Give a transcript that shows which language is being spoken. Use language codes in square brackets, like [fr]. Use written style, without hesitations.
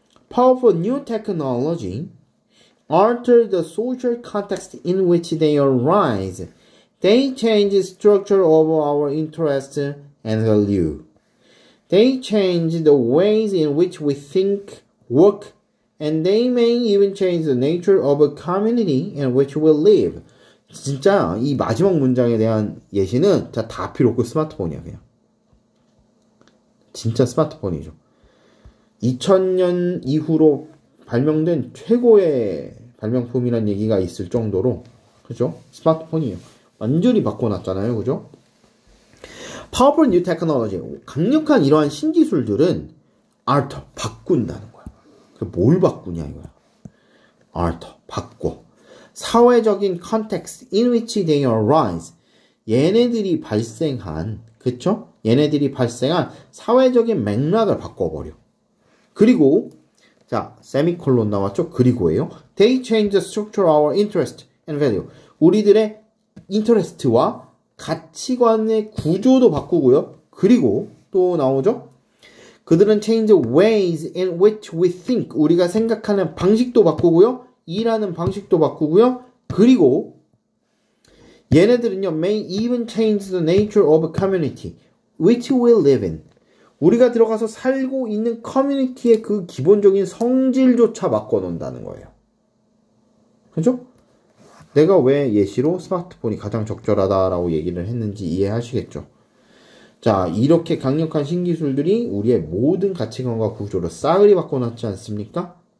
[en] Powerful new technology alter the social context in which they arise. They change the structure of our interests and value. They change the ways in which we think, work, And they may even change the nature of a community in which we live. [ko] 진짜 이 마지막 문장에 대한 예시는 다 필요 없고 스마트폰이야 그냥. 진짜 스마트폰이죠. 2000년 이후로 발명된 최고의 발명품이란 얘기가 있을 정도로 그죠? 스마트폰이에요. 완전히 바꿔놨잖아요, 그죠? [en] Powerful new technology, [ko] 강력한 이러한 신기술들은 alter, 바꾼다는 거. 뭘 바꾸냐 이거야. alter 바꿔. [en] 사회적인 context in which they arise. [ko] 얘네들이 발생한, 그쵸? 얘네들이 발생한 사회적인 맥락을 바꿔버려. 그리고 자, 세미콜론 나왔죠? 그리고예요. [en] They change the structure of our interest and value. [ko] 우리들의 interest와 가치관의 구조도 바꾸고요. 그리고 또 나오죠? 그들은 [en] change ways in which we think. [ko] 우리가 생각하는 방식도 바꾸고요. 일하는 방식도 바꾸고요. 그리고 얘네들은요, [en] may even change the nature of a community which we live in. [ko] 우리가 들어가서 살고 있는 커뮤니티의 그 기본적인 성질조차 바꿔놓는다는 거예요. 그죠? 내가 왜 예시로 스마트폰이 가장 적절하다라고 얘기를 했는지 이해하시겠죠? 자, 이렇게 강력한 신기술들이 우리의 모든 가치관과 구조를 싸그리 바꿔놨지 않습니까?